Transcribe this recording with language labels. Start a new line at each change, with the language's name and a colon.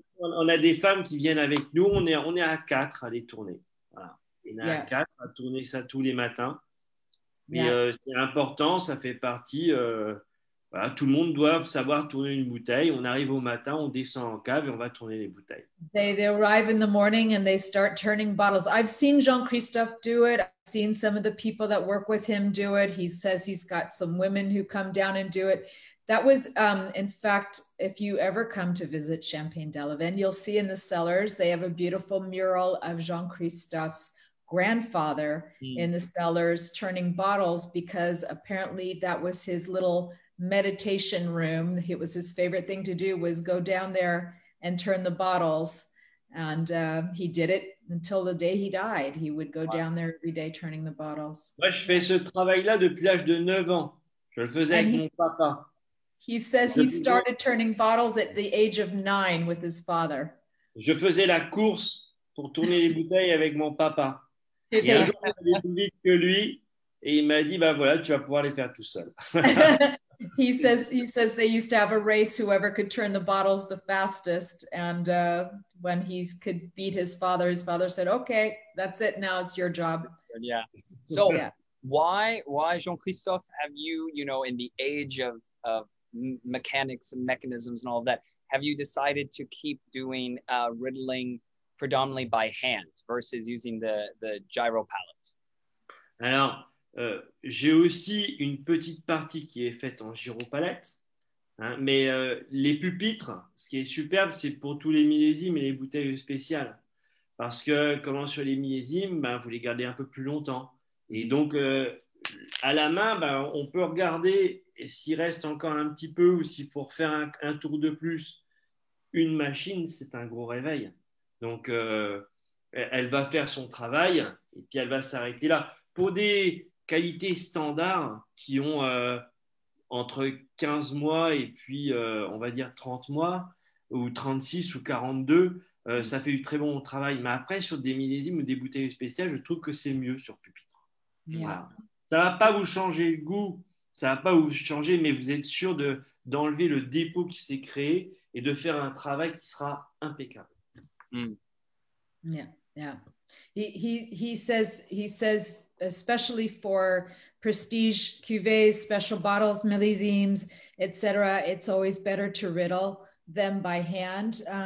French: On a des femmes qui viennent avec nous. On est à quatre à les tourner. Voilà. On est à quatre à tourner ça tous les matins. Mais c'est important, ça fait partie. Voilà, tout le monde doit savoir tourner une bouteille. On arrive au matin, on descend en cave et on va tourner les bouteilles.
English: They arrive in the morning and they start turning bottles. I've seen Jean-Christophe do it. I've seen some of the people that work with him do it. He says he's got some women who come down and do it. That was, in fact, if you ever come to visit Champagne Delavenne, you'll see in the cellars, they have a beautiful mural of Jean-Christophe's grandfather in the cellars turning bottles, because apparently that was his little meditation room. It was his favorite thing to do, was go down there and turn the bottles. And he did it until the day he died. He would go down there every day turning the bottles.
French: Moi, je fais ce travail-là depuis l'âge de 9 ans. Je le faisais avec mon papa.
English: He says he started turning bottles at the age of 9 with his father.
French: Je faisais la course pour tourner les bouteilles avec mon papa. Et un jour, j'avais plus vite que lui, et il m'a dit, ben voilà, tu vas pouvoir les faire tout seul.
English: he says they used to have a race, whoever could turn the bottles the fastest, and when he could beat his father said, okay, that's it, now it's your job. Yeah. So why Jean-Christophe, have you, in the age of mechanics and mechanisms and all that, have you decided to keep doing riddling predominantly by hand versus using the gyro palette?
French: Alors, j'ai aussi une petite partie qui est faite en gyro palette, hein, mais les pupitres, ce qui est superbe, c'est pour tous les millésimes et les bouteilles spéciales. Parce que, comment sur les millésimes, ben, vous les gardez un peu plus longtemps. Et donc, à la main, ben, on peut regarder s'il reste encore un petit peu ou s'il faut refaire un tour de plus. Une machine, c'est un gros réveil. Donc, elle va faire son travail et puis elle va s'arrêter là. Pour des qualités standards qui ont entre 15 mois et puis, on va dire, 30 mois ou 36 ou 42, ça fait du très bon travail. Mais après, sur des millésimes ou des bouteilles spéciales, je trouve que c'est mieux sur pupitre.
English: Yeah.
French: Voilà. Ça ne va pas vous changer le goût, ça ne va pas vous changer, mais vous êtes sûr d'enlever le dépôt qui s'est créé et de faire un travail qui sera impeccable.
English: Mm. Yeah. He says especially for prestige cuvées, special bottles, millésimes, etc., it's always better to riddle them by hand.